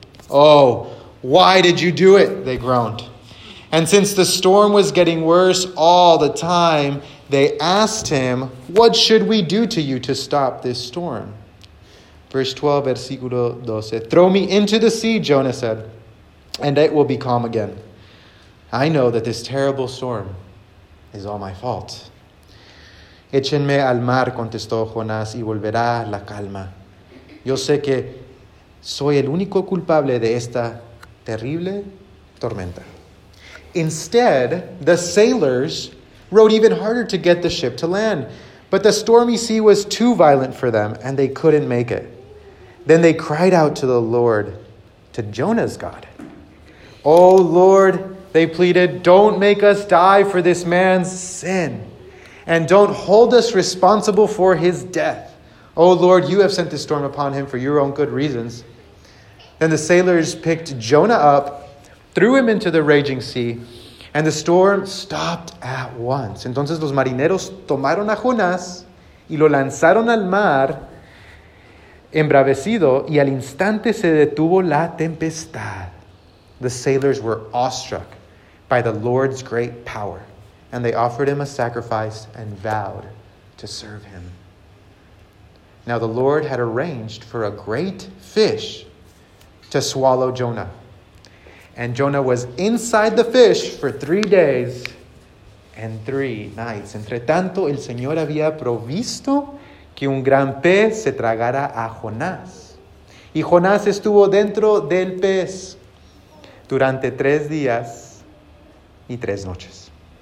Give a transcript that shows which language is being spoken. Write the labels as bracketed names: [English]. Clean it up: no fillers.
[English] Oh, why did you do it? They groaned. And since the storm was getting worse all the time, they asked him, what should we do to you to stop this storm? Verse 12, versículo 12. Throw me into the sea, Jonah said, and it will be calm again. I know that this terrible storm is all my fault. [Spanish] Échenme al mar, contestó Jonás, y volverá la calma. Yo sé que soy el único culpable de esta terrible tormenta. [English] Instead, the sailors rowed even harder to get the ship to land. But the stormy sea was too violent for them, and they couldn't make it. Then they cried out to the Lord, to Jonah's God. Oh, Lord, they pleaded, don't make us die for this man's sin, and don't hold us responsible for his death. Oh, Lord, you have sent this storm upon him for your own good reasons. Then the sailors picked Jonah up, threw him into the raging sea, and the storm stopped at once. [Spanish] Entonces los marineros tomaron a Jonás y lo lanzaron al mar embravecido, y al instante se detuvo la tempestad. [English] The sailors were awestruck by the Lord's great power, and they offered him a sacrifice and vowed to serve him. Now the Lord had arranged for a great fish to swallow Jonah. And Jonah was inside the fish for 3 days and 3 nights. [Spanish] Entre tanto, el Señor había provisto que un gran pez se tragara a Jonás. Y Jonás estuvo dentro del pez durante 3 días y 3 noches.